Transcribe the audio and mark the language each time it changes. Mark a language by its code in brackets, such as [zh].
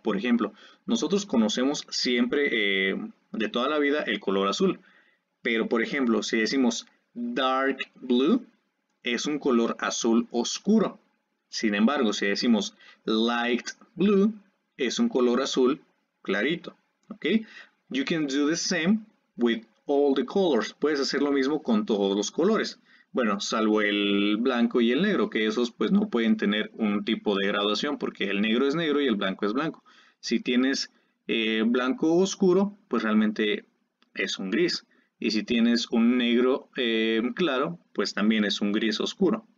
[es] Por ejemplo, nosotros conocemos siempre, de toda la vida, el color azul. Pero, por ejemplo, si decimos dark blue, es un color azul oscuro. Sin embargo, si decimos light blue, es un color azul clarito, ¿ok? [en] You can do the same with all the colors. [es] Puedes hacer lo mismo con todos los colores. Bueno, salvo el blanco y el negro, que esos pues no pueden tener un tipo de graduación porque el negro es negro y el blanco es blanco. Si tienes blanco oscuro, pues realmente es un gris. Y si tienes un negro claro, pues también es un gris oscuro.